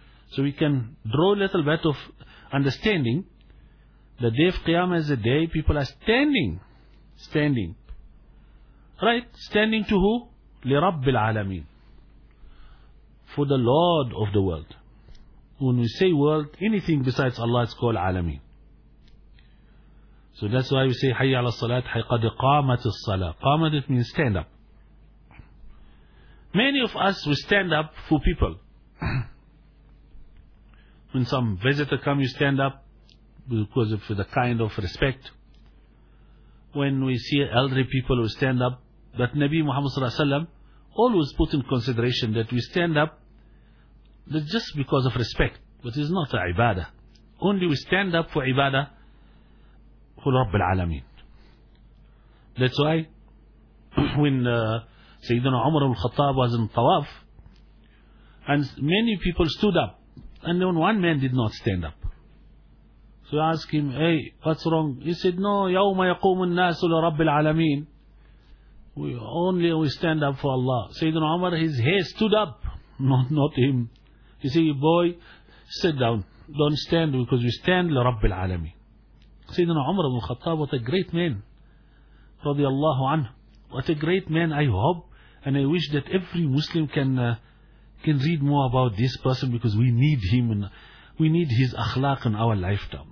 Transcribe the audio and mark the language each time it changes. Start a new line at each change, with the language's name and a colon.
English: So we can draw a little bit of understanding. The day of Qiyamah is a day people are standing. Right? Standing to who?
Arabic: لِرَبِّ الْعَالَمِينَ,
English: for the Lord of the world. When we say world, anything besides Allah is called alameen. So that's why we say
Arabic: حي على الصلاة حي قد قامت الصلاة.
English: قامت, it means stand up. Many of us, we stand up for people. When some visitor come, you stand up because of the kind of respect. When we see elderly people, we stand up. But Nabi Muhammad sallallahu alaihi wasallam always put in consideration that we stand up, that's just because of respect, but it's not a ibadah. Only we stand up for ibadah for Rabbil Alameen. That's why when Sayyidina Umar al-Khattab was in Tawaf, and many people stood up, and then one man did not stand up. So I asked him, hey, what's wrong? He said, no,
Arabic: يَوْمَ يَقُومُ النَّاسُ لِرَبِّ الْعَالَمِينَ.
English: We stand up for Allah. Sayyidina Umar, his hair stood up, not him. You see, boy, sit down. Don't stand, because we stand
Arabic: لِرَبِّ الْعَالَمِينَ.
English: Sayyidina Umar ibn al-Khattab, what a great man,
Arabic: رضي الله عنه.
English: What a great man. I hope and I wish that every Muslim can read more about this person, because we need him and we need his akhlaq in our lifetime.